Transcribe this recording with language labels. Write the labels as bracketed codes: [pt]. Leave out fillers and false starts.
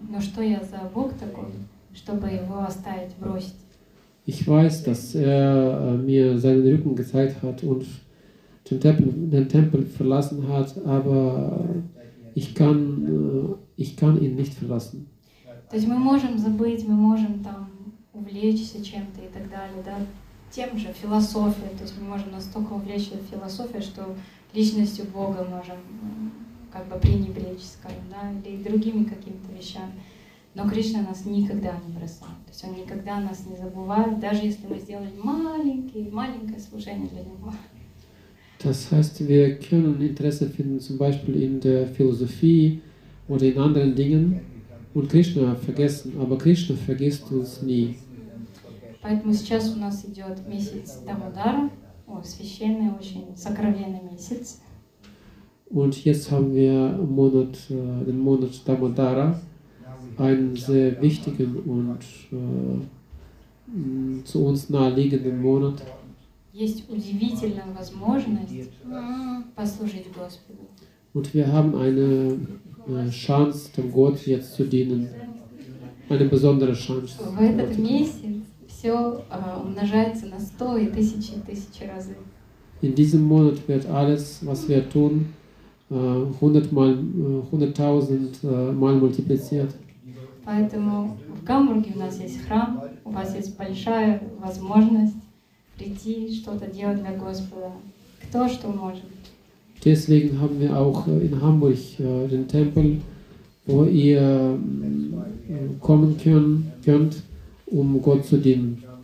[ru] Но что я за Бог такой, чтобы его оставить, бросить? [de] Ich weiß, dass er mir seinen Rücken gezeigt hat und den Tempel verlassen hat, aber ich kann ihn nicht verlassen. [ru] То есть мы можем забыть, мы можем там увлечься чем-то и так далее, да, тем же философией, то есть мы можем настолько увлечься философией, что личностью Бога можем как бы пренебречь, скажем, да, или другими какими-то вещами. Но Кришна нас никогда не бросает, то есть он никогда нас не забывает, даже если мы сделали маленькое служение для него. [de] Das heißt, wir können Interesse finden, zum Beispiel in der Philosophie oder in anderen Dingen, und Krishna vergessen, aber Krishna vergisst uns nie. [ru] Поэтому сейчас у нас идет месяц Дамодара, священный, очень сокровенный месяц. [de] Und jetzt haben wir den Monat Dhammadhara, einen sehr wichtigen und zu uns naheliegenden Monat. [ru] Есть удивительная возможность послужить Господу. [de] Und wir haben eine Chance, dem Gott jetzt zu dienen. Eine besondere Chance. [ru] В этот месяц все умножается на 100 и тысячи, тысячи раз. [de] In diesem Monat wird alles, was wir tun, 100.000 mal multipliziert. [ru] Поэтому в Гамбурге у нас есть храм, у вас есть большая возможность прийти, что-то делать для Господа. Кто что может. [de] Deswegen haben wir auch in Hamburg den Tempel, wo ihr kommen könnt, um Gott zu dienen.